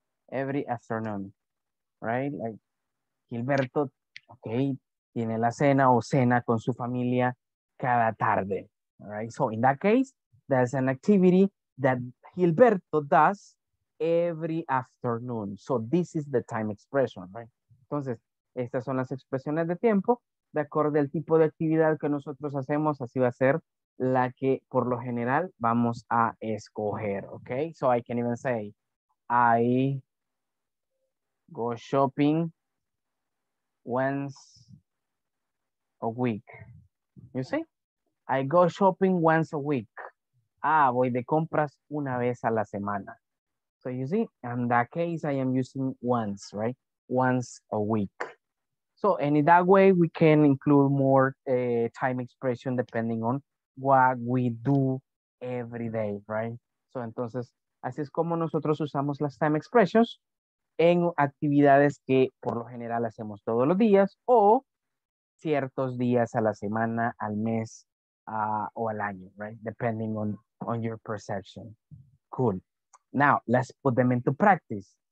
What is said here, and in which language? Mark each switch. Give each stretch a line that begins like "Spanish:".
English: Every afternoon, right? Like Gilberto, okay,
Spanish: tiene la cena o cena con su familia cada tarde, all right?
English: So in that case, that's an activity that Gilberto does every afternoon. So this is the time expression, right?
Spanish: Entonces, estas son las expresiones de tiempo. De acuerdo al tipo de actividad que nosotros hacemos, así va a ser la que por lo general vamos a escoger, okay?
English: So I can even say, I go shopping once a week. You see? I go shopping once a week.
Spanish: Ah, voy de compras una vez a la semana.
English: So you see, in that case, I am using once, right? Once a week. So, and in that way, we can include more time expression depending on what we do every day, right?
Spanish: So, entonces, así es como nosotros usamos las time expressions en actividades que por lo general hacemos todos los días o ciertos días a la semana, al mes o al año, right?
English: Depending on your perception. Cool. Now, let's put them into practice.